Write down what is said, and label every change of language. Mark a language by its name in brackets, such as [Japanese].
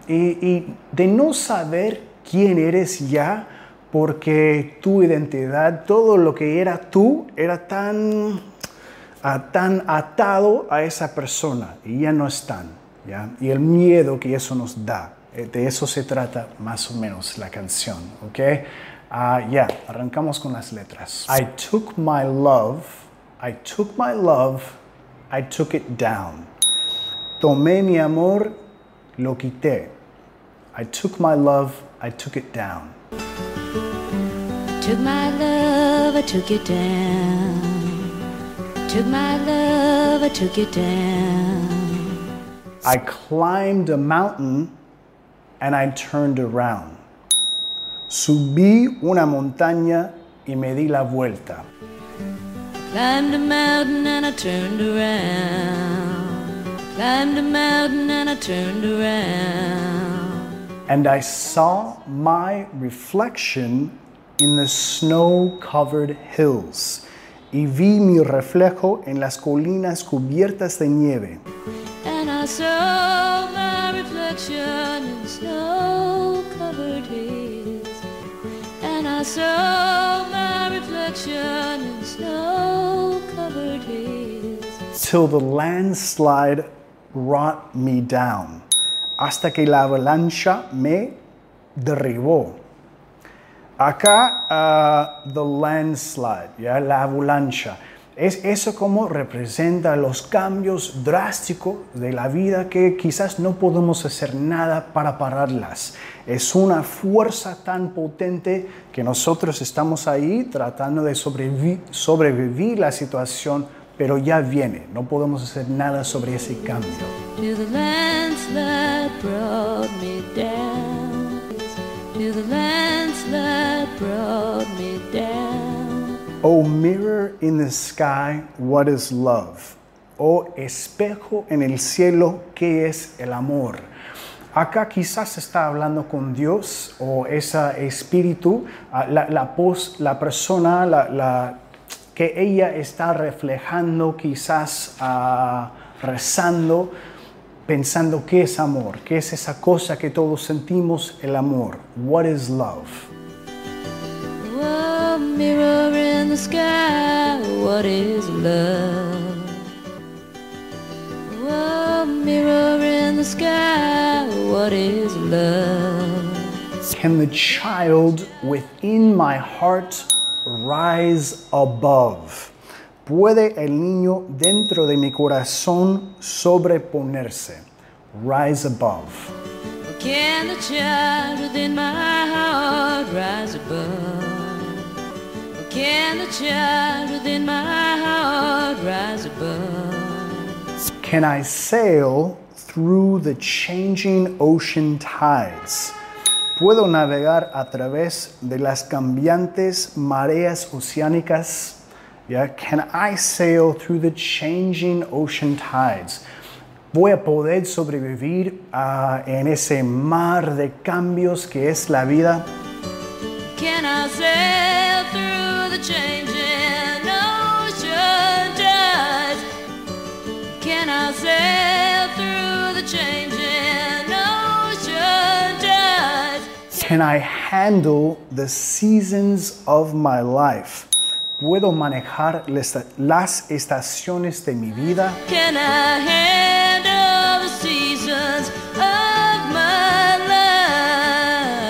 [Spanish] Y de no saber quién eres ya porque tu identidad, todo lo que era tú, era tan atado a esa persona y ya no están, ¿ya? Y el miedo que eso nos da, de eso se trata más o menos la canción, ¿ok? Arrancamos con las letras. [English] I took my love, I took my love, I took it down. [Spanish] Tomé mi amor, lo quité. [English] I took my love, I took it down. Took my love, I took it down. Took my love, I took it down. I climbed a mountain and I turned around. [Spanish] Subí una montaña y me di la vuelta. [English] Climbed a mountain and I turned around. Climbed a mountain and I turned around. And I saw my reflection in the snow-covered hills. [Spanish] Y vi mi reflejo en las colinas cubiertas de nieve. [English] And I saw my reflection in snow-covered hills. And I saw my reflection in snow-covered hills. Till the landslide brought me down. [Spanish] Hasta que la avalancha me derribó. Acá, [English] the landslide, [Spanish] ¿ya? La avalancha. Es eso como representa los cambios drásticos de la vida que quizás no podemos hacer nada para pararlas. Es una fuerza tan potente que nosotros estamos ahí tratando de sobrevivir la situación, pero ya viene. No podemos hacer nada sobre ese cambio. [English] The landslide brought me down. The landslide brought me down. Oh, mirror in the sky, what is love? [Spanish] Oh, espejo en el cielo, ¿qué es el amor? Acá quizás está hablando con Dios o ese espíritu, la persona que ella está reflejando, quizás rezando, pensando qué es amor, qué es esa cosa que todos sentimos, el amor. [English] What is love? Oh, mirror in the sky, what is love? Oh, mirror in the sky, what is love? Can the child within my heart rise above? [Spanish] ¿Puede el niño dentro de mi corazón sobreponerse? [English] Rise above. Can the child within my heart rise above? Can the child within my heart rise above? Can I sail through the changing ocean tides. [Spanish] Puedo navegar a través de las cambiantes mareas oceánicas. [English] Yeah, can I sail through the changing ocean tides? [Spanish] Voy a poder sobrevivir en ese mar de cambios que es la vida. [English] Can I sail through the changing ocean tides? Can I sail through the changing ocean tides? Can I handle the seasons of my life? [Spanish] ¿Puedo manejar las estaciones de mi vida? [English] Can I handle the seasons of my life?